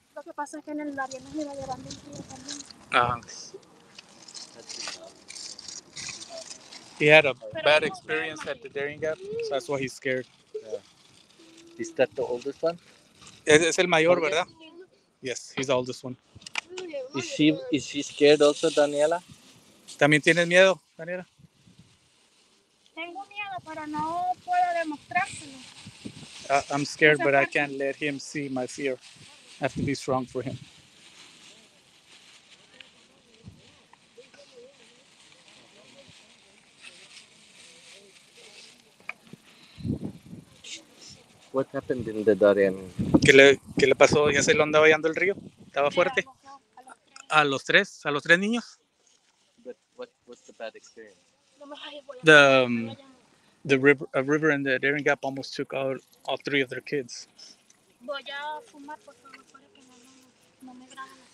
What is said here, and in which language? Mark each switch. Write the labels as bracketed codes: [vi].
[es] Lo que pasa es que en el área no me va a llevar mi tío también. Ah. [en] He had a bad experience at the Daring Gap, so that's why he's scared. Yeah. Is that the oldest one? [es] Es el mayor, ¿verdad? [en] Yes, he's the oldest one. Is she scared also, Daniela? [es] ¿También tienes miedo, Daniela? Tengo miedo, pero no puedo demostrárselo. [en] I'm scared, but I can't let him see my fear. I have to be strong for him. What happened in the Darien? [es] ¿Qué le pasó? ¿Ya se lo andaba yendo el río? ¿Estaba fuerte? ¿A los tres niños? [en] But what's the bad experience? The river in the Daring Gap almost took out all three of their kids. [es] Voy a fumar, por favor, para que no me graben.